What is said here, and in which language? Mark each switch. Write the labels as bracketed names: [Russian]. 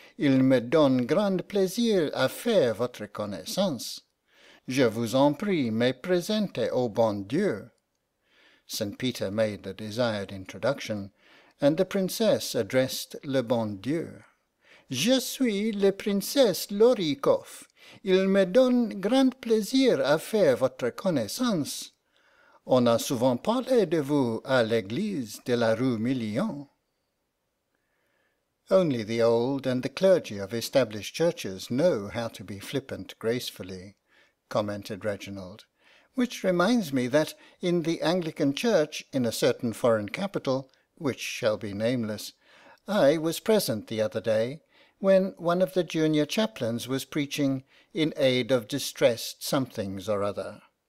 [French] Il me donne grand plaisir à faire votre connaissance. Je vous en prie, me présente au bon Dieu.' [English] St. Peter made the desired introduction, and the princess addressed [French] le bon Dieu. 'Je suis la princesse Lorikoff. Il me donne grand plaisir à faire votre connaissance. On a souvent parlé de vous à l'église de la rue Million.'" [English] Only the old and the clergy of established churches know how to be flippant gracefully, commented Reginald, which reminds me that in the Anglican Church in a certain foreign capital, which shall be nameless, I was present the other day when one of the junior chaplains was preaching in aid of distressed somethings or other,